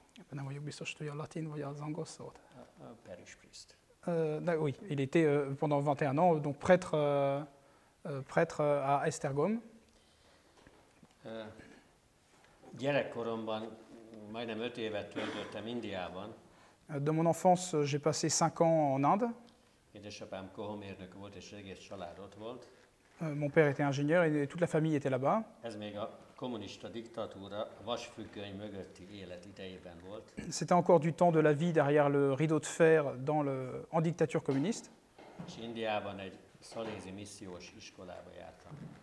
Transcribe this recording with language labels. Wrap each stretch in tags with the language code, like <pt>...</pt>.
<hu>Nem vagyok biztos, hogy a latin vagy az angol szót.</hu> <en>Parish priest.</en> <fr>Oui, il était pendant 21 ans, donc prêtre à Esztergom.</fr> <hu>Gyerekkoromban majdnem 5 évet töltöttem Indiában.</hu> <fr>De mon enfance, j'ai passé 5 ans en Inde.</fr> <hu>Édesapám kohomérnök volt, és egész család ott volt.</hu> <fr>Mon père était ingénieur et toute la famille était là-bas.</fr> <hu>Ez még a kommunista diktatúra vasfüggöny mögötti élet idejében volt.</hu> <fr>C'était encore du temps de la vie derrière le rideau de fer en dictature communiste.</fr> <hu>És Indiában egy szalézi missziós iskolába jártam.</hu>